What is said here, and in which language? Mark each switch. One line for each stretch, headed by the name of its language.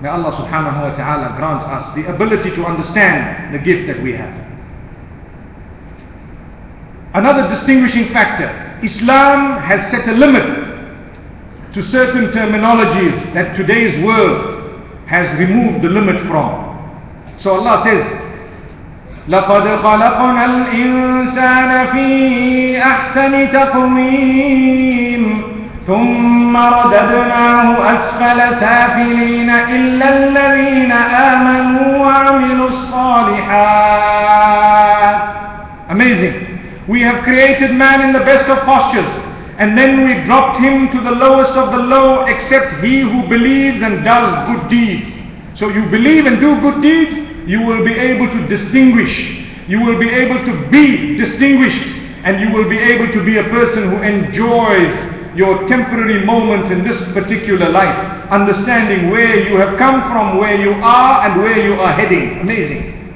English: May Allah subhanahu wa ta'ala grant us the ability to understand the gift that we have. Another distinguishing factor, Islam has set a limit to certain terminologies that today's world has removed the limit from. So Allah says,
Arabic: لَقَدْ خَلَقْنَا الْإِنسَانَ فِي أَحْسَنِ تَقْوِيمٍ ثُمَّ رَدَدْنَاهُ أَسْفَلَ سَافِلِينَ إِلَّا الَّذِينَ آمَنُوا وَعَمِلُوا الصَّالِحَاتِ.
English: Amazing. We have created man in the best of postures, and then we dropped him to the lowest of the low, except he who believes and does good deeds. So you believe and do good deeds, you will be able to distinguish. You will be able to be distinguished, and you will be able to be a person who enjoys your temporary moments in this particular life, understanding where you have come from, where you are, and where you are heading. Amazing.